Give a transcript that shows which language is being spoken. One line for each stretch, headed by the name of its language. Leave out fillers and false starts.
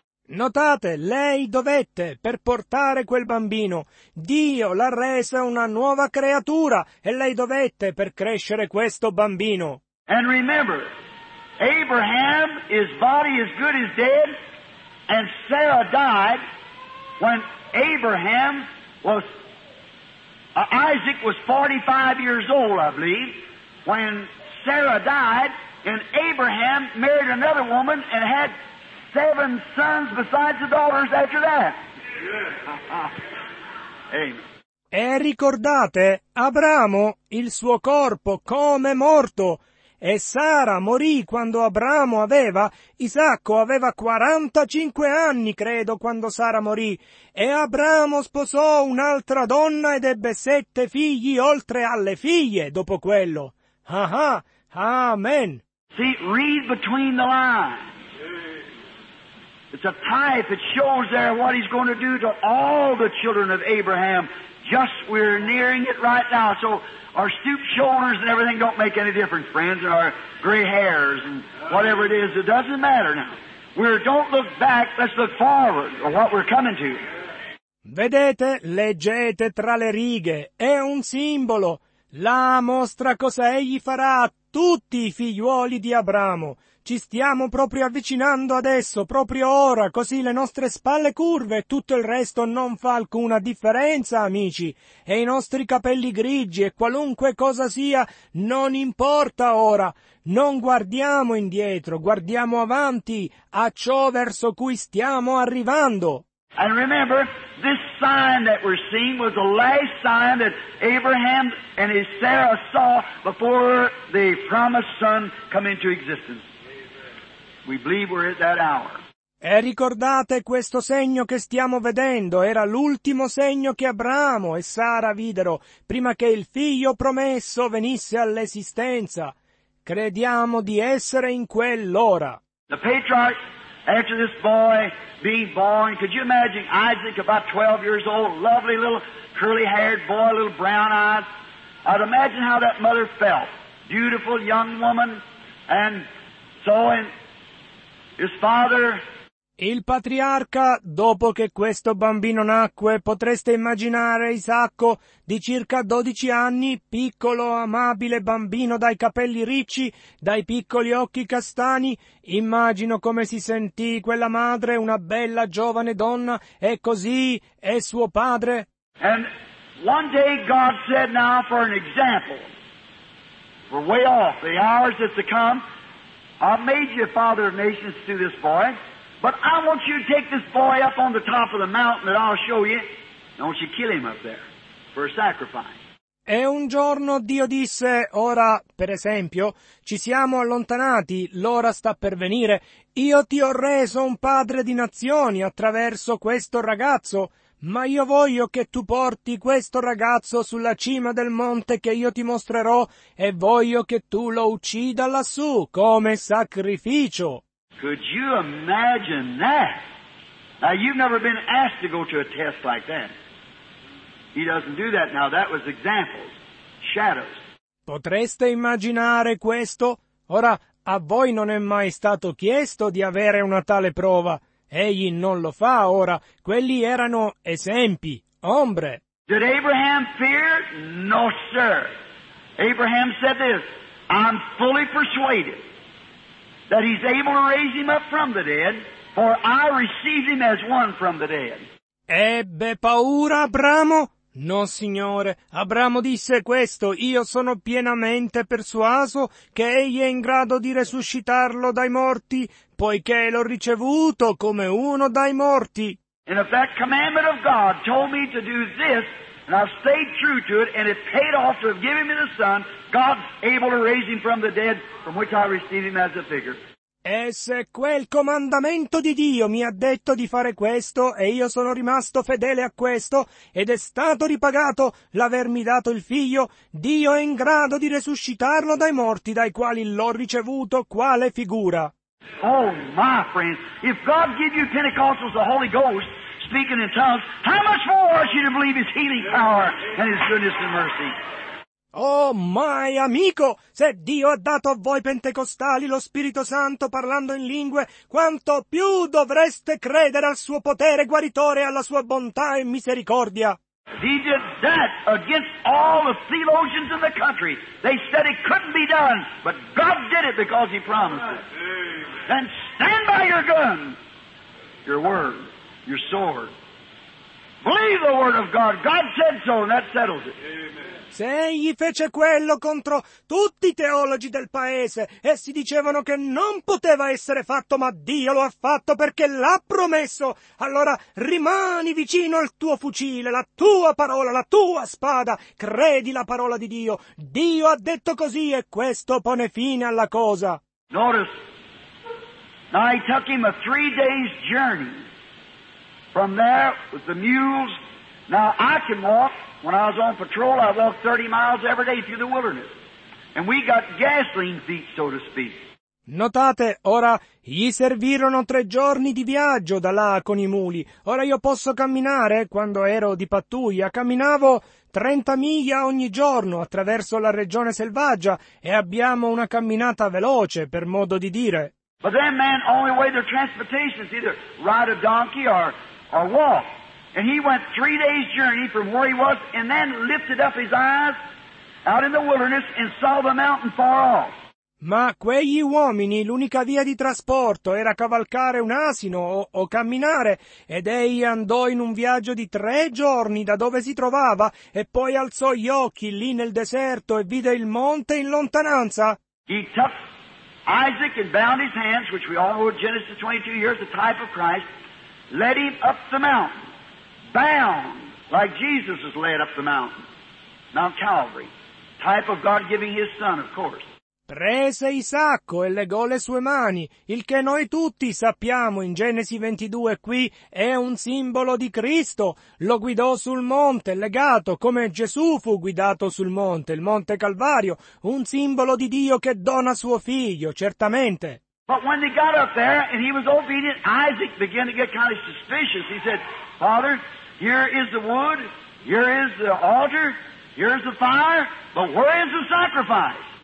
Italian: Notate, lei dovette, per portare quel bambino, Dio l'ha resa una nuova creatura, e lei dovette per crescere questo bambino.
English: And remember, Abraham, his body is good as dead, and Sarah died when Abraham was, Isaac was 45 years old, I believe, when Sarah died, and Abraham married another woman and had seven sons besides the daughters after that. Amen.
Italian: E ricordate, Abramo, il suo corpo come morto. E Sara morì quando Abramo aveva, Isacco aveva 45 anni, credo, quando Sara morì. E Abramo sposò un'altra donna ed ebbe 7 figli oltre alle figlie dopo quello. Aha, amen.
English: See, read between the lines. It's a type that shows there what he's going to do to all the children of Abraham. Just we're nearing it right now. So our stooped shoulders and everything don't make any difference, friends, and our gray hairs and whatever it is. It doesn't matter now. Don't look back, let's look forward to what we're coming to.
Italian: Vedete, leggete tra le righe. È un simbolo. La mostra cosa egli farà a tutti i figliuoli di Abramo. ci stiamo proprio avvicinando adesso, proprio ora, così le nostre spalle curve e tutto il resto non fa alcuna differenza, amici. E i nostri capelli grigi e qualunque cosa sia, non importa ora. Non guardiamo indietro, guardiamo avanti a ciò verso cui stiamo arrivando.
English: And remember, this sign that we're seeing was the last sign that Abraham and his Sarah saw before the promised son come into existence. We believe we're at that hour.
Italian: E ricordate questo segno che stiamo vedendo, era l'ultimo segno che Abramo e Sara videro prima che il figlio promesso venisse all'esistenza. Crediamo di essere in quell'ora.
English: The patriarch, after this boy being born, could you imagine Isaac about 12 years old, lovely little curly-haired boy, little brown eyes? I'd imagine how that mother felt. Beautiful young woman, and so in his father.
Italian: Il patriarca, dopo che questo bambino nacque, potreste immaginare Isacco di circa 12 anni, piccolo, amabile bambino dai capelli ricci, dai piccoli occhi castani. Immagino come si sentì quella madre, una bella giovane donna, e così è suo padre.
English: And one day God said, now for an example, for way off, the hours that's to come, I've made you father of nations through this boy. But I want you to take this boy up on the top of the mountain that I'll show you. Don't you kill him up there for a sacrifice.
Italian: E un giorno Dio disse, ora, per esempio, ci siamo allontanati, l'ora sta per venire. Io ti ho reso un padre di nazioni attraverso questo ragazzo, ma io voglio che tu porti questo ragazzo sulla cima del monte che io ti mostrerò e voglio che tu lo uccida lassù come sacrificio.
English: Could you imagine that? Now, you've never been asked to go to a test like that. He doesn't do that now. That was examples, shadows.
Italian: Potreste immaginare questo? Ora, a voi non è mai stato chiesto di avere una tale prova. Egli non lo fa ora. Quelli erano esempi, ombre.
English: Did Abraham fear? No, sir. Abraham said this, I'm fully persuaded that he's able to raise him up from the dead, for I receive him as one from the dead.
Italian: Ebbe paura Abramo? No, signore. Abramo disse questo, io sono pienamente persuaso che egli è in grado di resuscitarlo dai morti, poiché l'ho ricevuto come uno dai morti.
English: And if that commandment of God told me to do this, and I've stayed true to it, and it paid off to have given me the son, God's able to raise him from the dead, from which I receive him as a figure.
Italian: E se quel comandamento di Dio mi ha detto di fare questo, e io sono rimasto fedele a questo, ed è stato ripagato l'avermi dato il figlio, Dio è in grado di resuscitarlo dai morti dai quali l'ho ricevuto, quale figura?
English: Oh, my friends, if God give you Pentecostals the Holy Ghost, speaking in tongues, how much more are you to believe his healing power and his goodness and mercy?
Italian: Oh, mai amico, se Dio ha dato a voi pentecostali lo Spirito Santo parlando in lingue, quanto più dovreste credere al suo potere guaritore e alla sua bontà e misericordia.
English: He did that against all the theologians in the country. They said it couldn't be done, but God did it because he promised it. Then stand by your gun, your word, your sword. Believe the word of God. God said so, and that settles it. Amen.
Italian: Se egli fece quello contro tutti i teologi del paese, essi dicevano che non poteva essere fatto, ma Dio lo ha fatto perché l'ha promesso. Allora rimani vicino al tuo fucile, la tua parola, la tua spada. Credi la parola di Dio. Dio ha detto così e questo pone fine alla cosa.
English: Notice, now he took him a 3 days journey from there with the mules. Now I can walk. When I was on patrol, I walked 30 miles every day through the wilderness. And we got gasoline feet, so to speak.
Italian: Notate, ora, gli servirono 3 giorni di viaggio da là con i muli. Ora io posso camminare, quando ero di pattuglia, camminavo 30 miglia ogni giorno attraverso la regione selvaggia e abbiamo una camminata veloce, per modo di dire.
English: But then, man, only way their transportation is either ride a donkey or walk. And he went 3 days journey from where he was and then lifted up his eyes out in the wilderness and saw the mountain far off.
Italian: Ma quegli uomini l'unica via di trasporto era cavalcare un asino o camminare, ed egli andò in un viaggio di 3 giorni da dove si trovava, e poi alzò gli occhi lì nel deserto e vide il monte in lontananza.
English: He took Isaac and bound his hands, which we all know in Genesis 22, here's the type of Christ, led him up the mountain, bound, like Jesus was led up the mountain, Mount Calvary, type of God giving his son, of course.
Italian: Prese Isacco e legò le sue mani, il che noi tutti sappiamo in Genesi 22 qui è un simbolo di Cristo. Lo guidò sul monte, legato, come Gesù fu guidato sul monte, il monte Calvario, un simbolo di Dio che dona suo figlio, certamente.
English: But when they got up there and he was obedient, Isaac began to get kind of suspicious. He said, Father, here is the wood, here is the altar, here is the fire, but where is the sacrifice?